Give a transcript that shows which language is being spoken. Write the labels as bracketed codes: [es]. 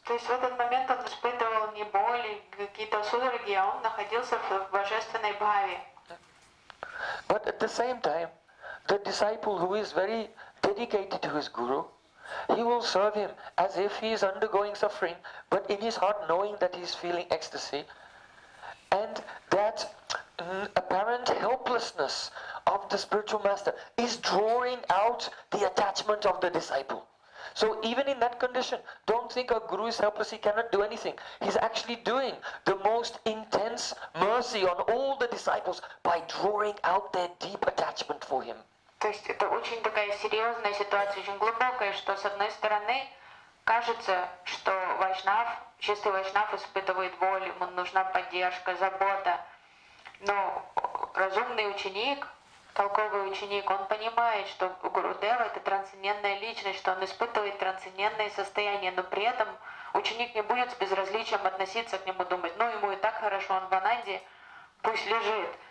[ru] То есть в этот момент он испытывал не боли, какие-то судороги, а он находился в божественной бхаве. [en] But at the same time, the disciple who is very dedicated to his guru, he will serve him as if he is undergoing suffering, but in his heart knowing that he is feeling ecstasy. And that apparent helplessness of the spiritual master is drawing out the attachment of the disciple. So even in that condition, don't think a guru is helpless, he cannot do anything. He's actually doing the most intense mercy on all the disciples by drawing out their deep attachment for him. [ru] То есть это очень такая серьезная ситуация, очень глубокая, что с одной стороны кажется, что вайшнав, чистый вайшнав испытывает боль, ему нужна поддержка, забота. Но разумный ученик, толковый ученик, он понимает, что Гурудева — это трансцендентная личность, что он испытывает трансцендентное состояние, но при этом ученик не будет с безразличием относиться к нему, думать, ну ему и так хорошо, он в Ананде, пусть лежит.